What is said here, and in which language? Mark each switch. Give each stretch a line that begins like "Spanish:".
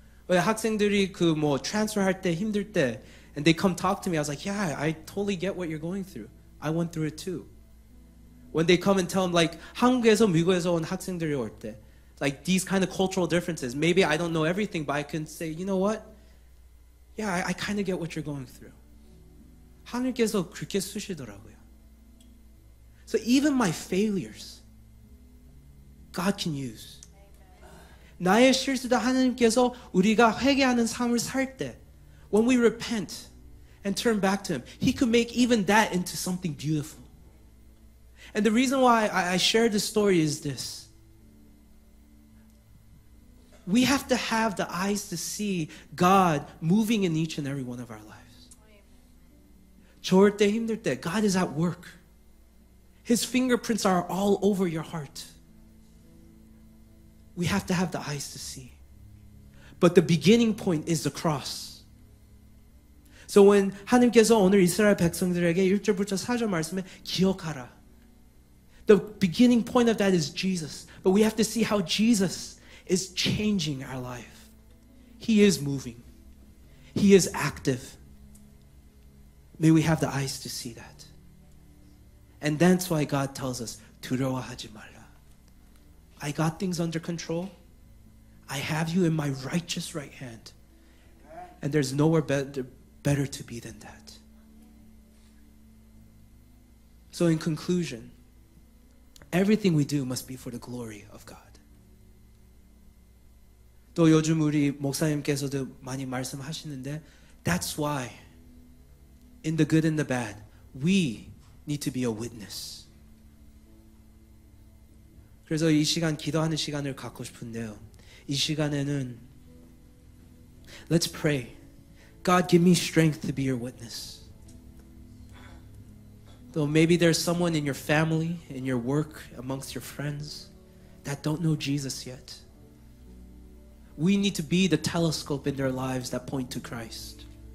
Korean: 왜 학생들이 그 뭐 transfer 할 때 힘들 때
English: and they come talk to me. I was like, yeah, I totally get what you're going through. I went through it too. When they come and tell them like
Korean: 한국에서 미국에서 온 학생들이 올 때
English: like these kind of cultural differences. Maybe I don't know everything, but I can say, you know what? Yeah, I kind of get what you're going through.
Korean: 하늘께서 그렇게 쓰시더라고요.
English: So even my failures, God can use.
Korean: 나의 실수도 하나님께서 우리가 회개하는 삶을 살 때,
English: when we repent and turn back to Him, He could make even that into something beautiful. And the reason why I share this story is this. We have to have the eyes to see God moving in each and every one of our lives.
Korean: 좋을 때 힘들 때
English: God is at work. His fingerprints are all over your heart. We have to have the eyes to see. But the beginning point is the cross.
Korean: So when 하나님께서 오늘 이스라엘 백성들에게 1절부터 4절 말씀에 기억하라.
English: The beginning point of that is Jesus. But we have to see how Jesus is changing our life. He is moving. He is active. May we have the eyes to see that. And that's why God tells us,
Korean: 두려워하지 말라.
English: I got things under control. I have you in my righteous right hand. And there's nowhere better to be than that. So in conclusion, everything we do must be for the glory of God.
Korean: 또 요즘 우리 목사님께서도 많이 말씀하시는데
English: That's why in the good and the bad we need to be a witness.
Korean: 그래서 이 시간 기도하는 시간을 갖고 싶은데요. 이 시간에는
English: Let's pray. God give me strength to be your witness. Though maybe there's someone in your family, in your work, amongst your friends that don't know Jesus yet. We need to be the telescope in their lives that point to Christ.